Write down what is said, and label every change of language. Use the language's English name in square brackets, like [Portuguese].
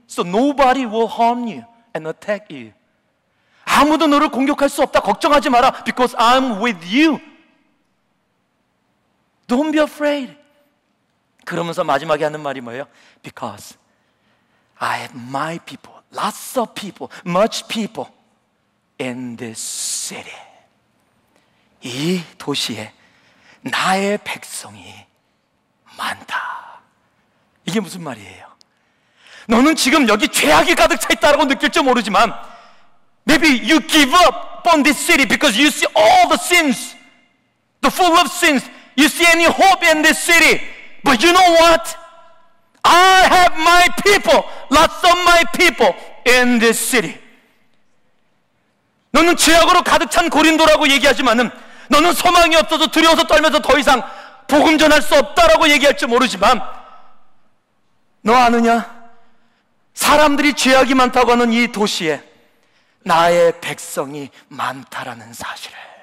[English] So nobody will harm you and attack you. [Korean] 아무도 너를 공격할 수 없다. 걱정하지 마라. [English] Because I'm with you. Don't be afraid. [Korean] 그러면서 마지막에 하는 말이 뭐예요? [English] Because I have my people, lots of people, much people in this city. [Korean] 이 도시에 나의 백성이 많다. 이게 무슨 말이에요? 너는 지금 여기 죄악이 가득 차 있다고 느낄지 모르지만 [English] Maybe you give up on this city because you see all the sins, the full of sins. You see any hope in this city. But you know what? I have my people, lots of my people in this city. [Korean] 너는 죄악으로 가득 찬 고린도라고 얘기하지만은 너는 소망이 없어서 두려워서 떨면서 더 이상 복음 전할 수 없다라고 얘기할지 모르지만 너 아느냐? 사람들이 죄악이 많다고 하는 이 도시에 나의 백성이 많다라는 사실을.